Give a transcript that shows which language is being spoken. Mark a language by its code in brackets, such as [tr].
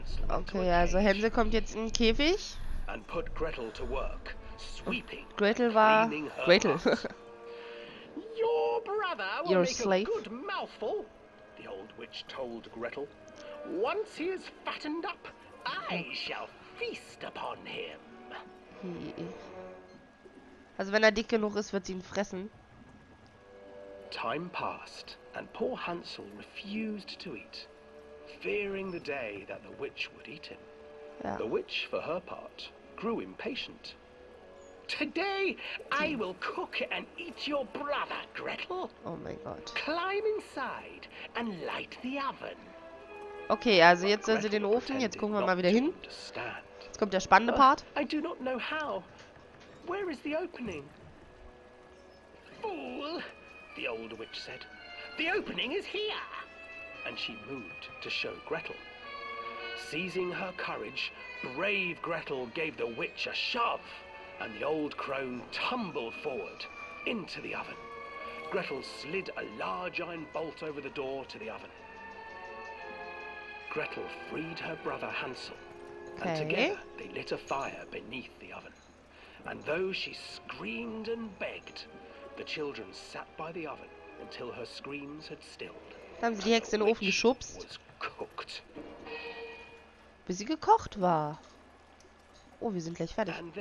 [de] okay, also Hänsel kommt jetzt in den Käfig. [en] And put Gretel to work, sweeping, [de] Gretel war Gretel. [en] Your brother will your make slave. A good mouthful, the old witch told Gretel. Once he is fattened up, I shall feast upon him. [de] Also wenn er dick genug ist, wird sie ihn fressen. [en] Time passed and poor Hansel refused to eat. Fearing the day that the witch would eat him. [de] Ja. [en] The witch, for her part, grew impatient. Today I will cook and eat your brother, Gretel. [de] Oh mein Gott. [en] Climb inside and light the oven. [de] Okay, also jetzt soll sie den Ofen, jetzt gucken wir mal wieder hin. Jetzt kommt der spannende Part. [en] I do not know how. Where is the opening? Fool, the old witch said. The opening is here. And she moved to show Gretel. Seizing her courage, brave Gretel gave the witch a shove, and the old crone tumbled forward into the oven. Gretel slid a large iron bolt over the door to the oven. Gretel freed her brother Hansel, and together they lit a fire beneath the oven. And though she screamed and begged, the children sat by the oven until her screams had stilled. [de] Dann haben sie die Hexe in den Ofen geschubst. Bis sie gekocht war. Oh, wir sind gleich fertig.